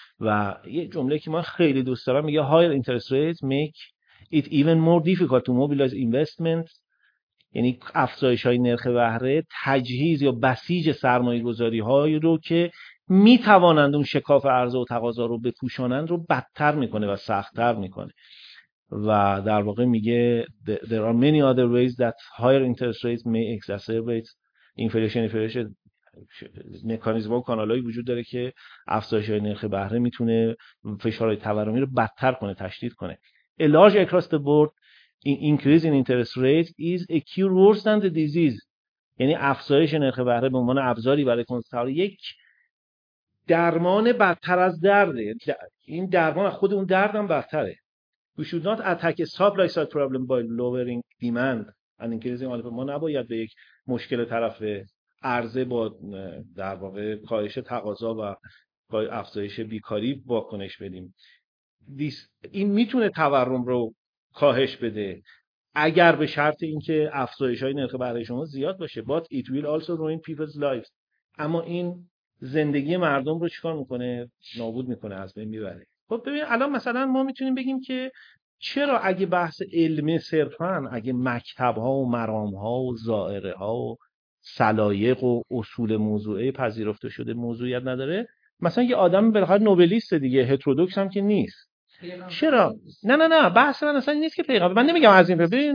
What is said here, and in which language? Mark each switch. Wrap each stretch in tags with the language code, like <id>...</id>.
<fa>و یه جمله که من خیلی دوست دارم میگه</fa> <en>higher interest rates make it even more difficult to mobilize investments،</en> <fa>یعنی افزایش های نرخ بهره تجهیز یا بسیج سرمایه گذاری های رو که می توانند اون شکاف عرضه و تقاضا رو بپوشانند رو بدتر میکنه و سختتر میکنه. و در واقع میگه</fa> <en>there are many other ways that higher interest rates may exacerbate inflation.</en> <fa>مکانیزم و کانالایی وجود داره که افزایش های نرخ بهره میتونه فشارهای تورمی رو بدتر کنه، تشدید کنه.</fa> <en>A large across the board increase in interest rates is a cure worse than the disease.</en> <fa>یعنی افزایش نرخ بهره به عنوان ابزاری برای کنترل یک درمان بدتر از درده. این درمان خود اون درد هم بدتره.</fa> <en>We should not attack a supply side problem by lowering demand and increasing supply.</en> <fa>ما نباید به یک مشکل طرف عرضه با در واقع کاهش تقاضا و افزایش بیکاری واکنش بدیم. این میتونه تورم رو کاهش بده اگر به شرط اینکه افزایش های نرخ بهره شما زیاد باشه.</fa> <en>But it will also ruin people's lives.</en> <fa>اما این زندگی مردم رو چیکار میکنه؟ نابود میکنه، از بین میبره. خب ببین الان مثلا ما میتونیم بگیم که چرا اگه بحث علمه صرفاً، اگه مکتب ها و مرام ها و زائره ها و سلایق و اصول موضوعه پذیرفته شده موضوعیت نداره، مثلا یه آدم بالاخره نوبلیست دیگه، هترودوکس هم که نیست، چرا؟ نه نه نه، بحث من اصلا نیست که پیغام، من نمیگم از این پیغام.</fa>